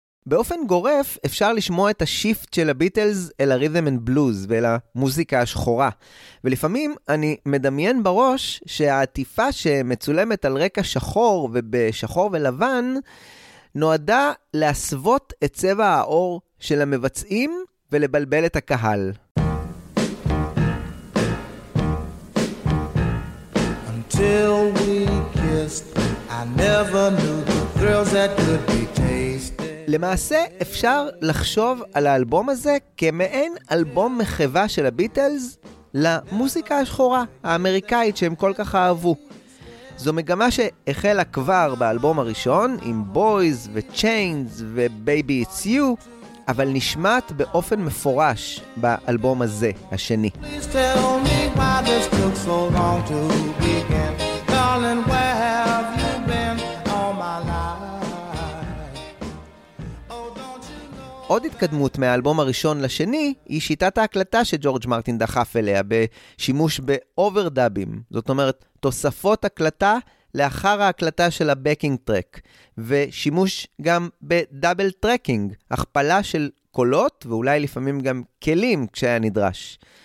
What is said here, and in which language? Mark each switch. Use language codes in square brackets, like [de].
[he] באופן גורף אפשר לשמוע את השיפט של הביטלס אל הריתם אנד בלוז ואל המוזיקה השחורה, ולפעמים אני מדמיין בראש שהעטיפה שמצולמת על רקע שחור ובשחור ולבן, נועדה להסוות את צבע האור של המבצעים ולבלבל את הקהל. [en] Until we kissed, I never knew the thrills that could be tasted. [he] למעשה אפשר לחשוב על האלבום הזה כמעין אלבום מחווה של הביטלס למוזיקה השחורה האמריקאית שהם כל כך אהבו. זו מגמה שהחלה כבר באלבום הראשון עם Boys ו-Chains ו-Baby It's You, אבל נשמעת באופן מפורש באלבום הזה, השני. [en] Please tell me why this took so long to begin. Darling, where have you been all my life? Oh, don't you know... [he] עוד התקדמות מהאלבום הראשון לשני היא שיטת ההקלטה שג'ורג' מרטין דחף אליה בשימוש באוברדאבים. זאת אומרת, תוספות הקלטה לאחר ההקלטה של הבקינג טרק, ושימוש גם בדאבל טרקינג, הכפלה של קולות ואולי לפעמים גם כלים כשהיה נדרש.